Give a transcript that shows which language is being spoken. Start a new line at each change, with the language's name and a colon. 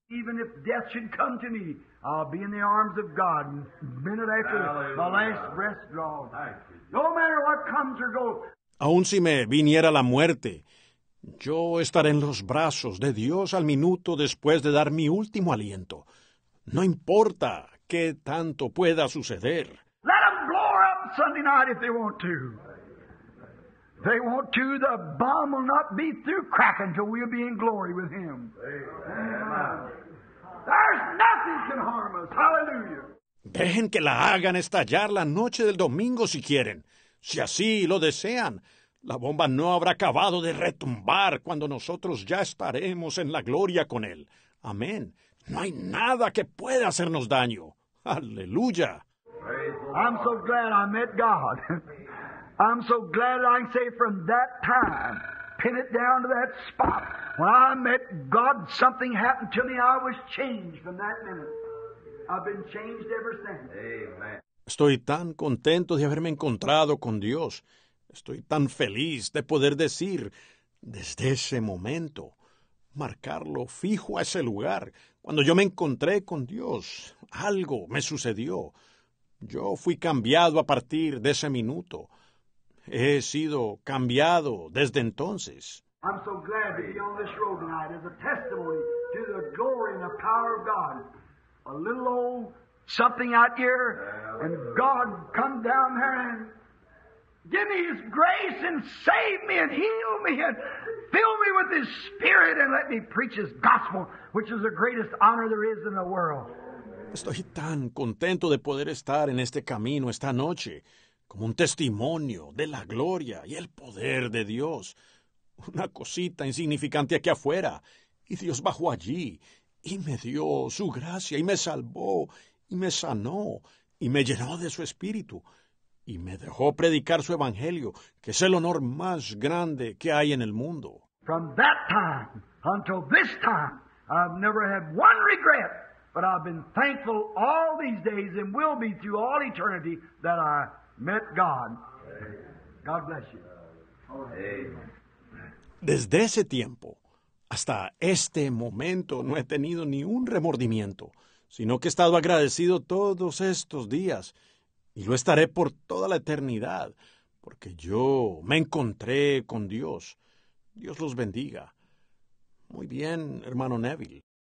English: Even if death should come to me, I'll be in the arms of God a minute after my last breath draw. No matter what comes or goes.
Spanish: Aun si me viniera la muerte, yo estaré en los brazos de Dios al minuto después de dar mi último aliento. No importa qué tanto pueda suceder.
English: Let them blow up Sunday night if they want to. They want to, the bomb will not be through cracking till we'll be in glory with him. Amen. There's nothing can harm us. Hallelujah.
Spanish: Dejen que la hagan estallar la noche del domingo si quieren. Si así lo desean, la bomba no habrá acabado de retumbar cuando nosotros ya estaremos en la gloria con él. Amén. No hay nada que pueda hacernos daño. Aleluya.
English: I'm so glad I met God. I'm so glad I can say from that time, pin it down to that spot. When I met God, something happened to me. I was changed from that minute. I've been changed ever since. Amen.
Spanish: Estoy tan contento de haberme encontrado con Dios. Estoy tan feliz de poder decir, desde ese momento, marcarlo fijo a ese lugar. Cuando yo me encontré con Dios, algo me sucedió. Yo fui cambiado a partir de ese minuto. He sido cambiado desde entonces.
English: I'm so glad to be on this road tonight as a testimony to the glory and the power of God. A little old something out here, and God come down there and give me his grace and save me and heal me and fill me with his Spirit and let me preach his gospel, which is the greatest honor there is in the world.
Spanish: Estoy tan contento de poder estar en este camino esta noche, como un testimonio de la gloria y el poder de Dios. Una cosita insignificante aquí afuera. Y Dios bajó allí y me dio su gracia y me salvó y me sanó y me llenó de su Espíritu y me dejó predicar su Evangelio, que es el honor más grande que hay en el mundo.
English: From that time until this time, I've never had one regret But I've been thankful all these days and will be through all eternity that I met God. God bless you.
Spanish: Desde ese tiempo hasta este momento no he tenido ni un remordimiento, sino que he estado agradecido todos estos días y lo estaré por toda la eternidad, porque yo me encontré con Dios. Dios los bendiga. Muy bien, hermano Neville.